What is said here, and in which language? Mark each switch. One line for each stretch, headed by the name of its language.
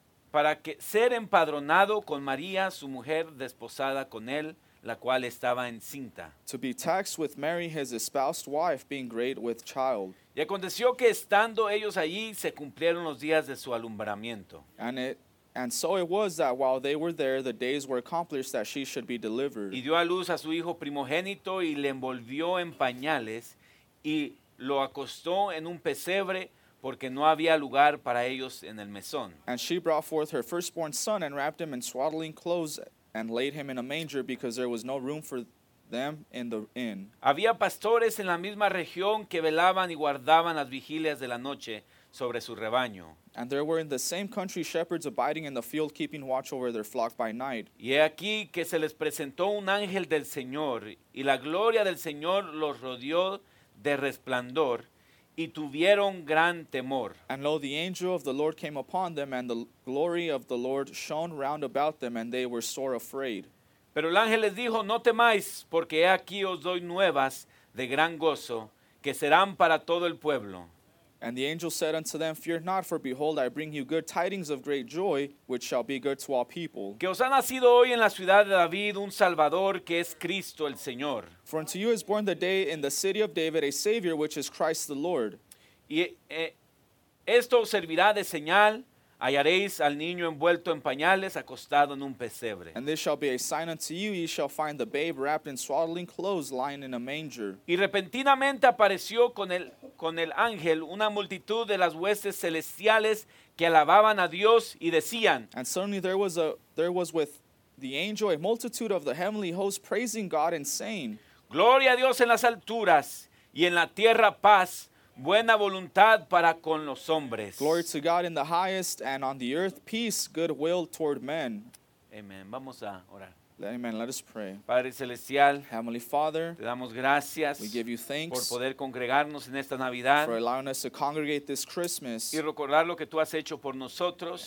Spanish: Para ser empadronado con María, su mujer desposada con él, la cual estaba encinta.
English: To be taxed with Mary, his espoused wife, being great with child.
Spanish: Y aconteció que estando ellos allí, se cumplieron los días de su alumbramiento.
English: And so it was that while they were there, the days were accomplished that she should be delivered.
Spanish: Y dio a luz a su hijo primogénito y le envolvió en pañales y lo acostó en un pesebre porque no había lugar para ellos en el mesón.
English: And she brought forth her firstborn son and wrapped him in swaddling clothes and laid him in a manger because there was no room for them in the inn.
Spanish: Había pastores en la misma región que velaban y guardaban las vigilias de la noche sobre su rebaño.
English: And there were in the same country shepherds abiding in the field, keeping watch over their flock by night.
Spanish: Y aquí que se les presentó un ángel del Señor, y la gloria del Señor los rodeó de resplandor, y tuvieron gran temor.
English: And lo, the angel of the Lord came upon them, and the glory of the Lord shone round about them, and they were sore afraid.
Spanish: Pero el ángel les dijo, no temáis, porque he aquí os doy nuevas de gran gozo, que serán para todo el pueblo.
English: And the angel said unto them, fear not, for behold, I bring you good tidings of great joy, which shall be good to all people.
Spanish: Que os ha nacido hoy en la ciudad de David un Salvador, que es Cristo el Señor.
English: For unto you is born the day in the city of David a Savior, which is Christ the Lord.
Spanish: Y esto servirá de señal, hallaréis al niño envuelto en pañales, acostado en un pesebre.
English: And this shall be a sign unto you, ye shall find the babe wrapped in swaddling clothes, lying in a manger.
Spanish: Y repentinamente apareció con el ángel una multitud de las huestes celestiales que alababan a Dios y decían.
English: And suddenly there was with the angel a multitude of the heavenly host praising God and saying.
Spanish: Gloria a Dios en las alturas y en la tierra paz. Buena voluntad para con los hombres.
English: Glory to God in the highest, and on the earth peace, goodwill toward men.
Spanish: Amen. Vamos a orar.
English: Amen. Let us pray.
Spanish: Padre Celestial,
English: Heavenly Father,
Spanish: te damos gracias,
English: we give you thanks
Spanish: por poder congregarnos en esta Navidad,
English: for allowing us to congregate this Christmas,
Spanish: y recordar lo que tú has hecho por nosotros,